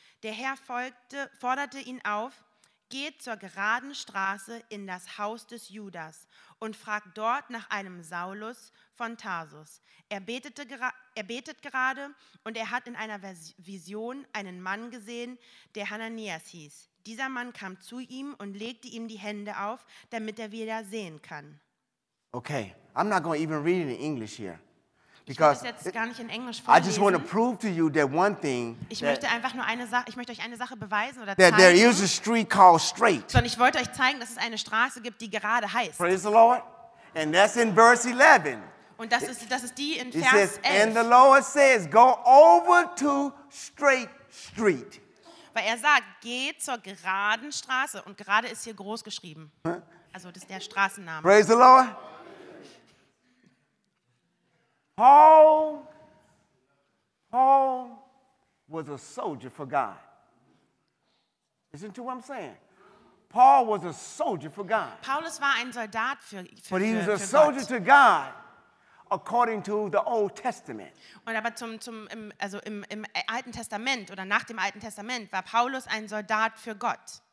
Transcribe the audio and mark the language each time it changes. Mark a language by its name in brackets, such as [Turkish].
[German] Der Herr forderte ihn auf, geh zur geraden Straße in das Haus des Judas und fragt dort nach einem Saulus von Tarsus. Er betet gerade und er hat in einer Vision einen Mann gesehen, der Hananias hieß. Dieser Mann kam zu ihm und legte ihm die Hände auf, damit er wieder sehen kann. [English] Okay, I'm not going to even read it in English here. [German] Because ich werde es jetzt gar nicht in Englisch vorlesen. [English] I just want to prove to you that one thing. [German] Ich möchte euch eine Sache beweisen oder [English] that [German] zeigen. [English] There is a street called Straight. [German] Sondern ich wollte euch zeigen, dass es eine Straße gibt, die gerade heißt. [English] Praise the Lord. And that's in verse 11. [German] Und das ist die in Vers 11. [English] It says, and the Lord says, go over to Straight Street. [German] Weil er sagt, geh zur geraden Straße. Und gerade ist hier groß geschrieben. Also das ist der Straßenname. [English] Praise the Lord. Paul was a soldier for God. Listen to what I'm saying. Paul was a soldier for God. [German] Paulus war ein Soldat für [English] But he was [German] für [English] a soldier [German] Gott. [English] To God according to the Old Testament. [German] Und aber im Alten Testament oder nach dem Alten Testament war Paulus ein Soldat für Gott.